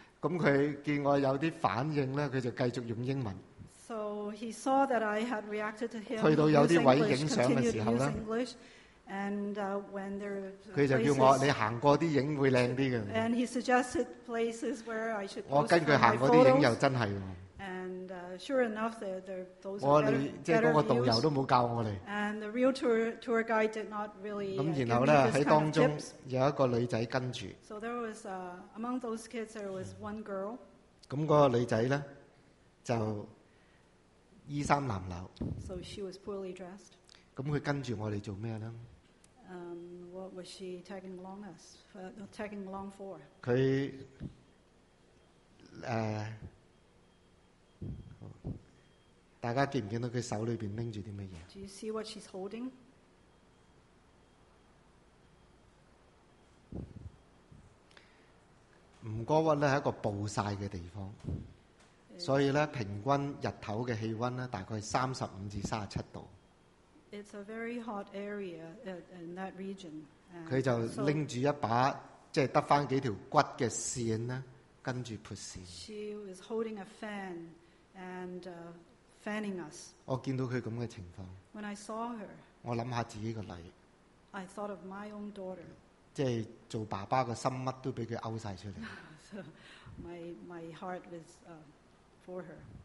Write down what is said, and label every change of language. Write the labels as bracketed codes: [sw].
[yue] 咁佢見我有啲反應咧，佢就繼續用英文。 [en] So he saw that I had reacted to him. [yue] 去到有啲位影相嘅時候咧。 [en] And when there are places, [yue] 佢就叫我你行過啲影會靚啲嘅。 [en] And he suggested places where I should. [yue] 我跟佢行過啲影又真係喎。 [en] And sure enough, there those are better views. [yue] 我即係嗰個導遊都冇教我哋。 [en] And the real tour guide did not really. [yue] 咁然後咧喺當中有一個女仔跟住。 [en] So there was among those kids there was one girl. [yue] 咁嗰個女仔咧就衣衫褴褛。 [en] So she was poorly dressed. [yue] 咁佢跟住我哋做咩咧？ [en] What was she tagging along us? Tagging along for? [yue] 佢大家見唔見到佢手裏邊拎住啲乜嘢 [en] ？Do you see what she's holding? [yue] 吳哥窟咧係一個暴曬嘅地方，所以咧平均日頭嘅氣温咧大概35-37 degrees。 [en] It's a very hot area in that region. [yue] 佢就拎住一把即係得翻幾條骨嘅線咧，跟住撥線。 [en] She was holding a fan and fanning us. [yue] 我見到佢咁嘅情況。 [en] When I saw her, [yue] 我諗下自己個女。 [en] I thought of my own daughter. [yue] 即係做爸爸嘅心乜都俾佢勾曬出嚟。 [en] So my heart was for her.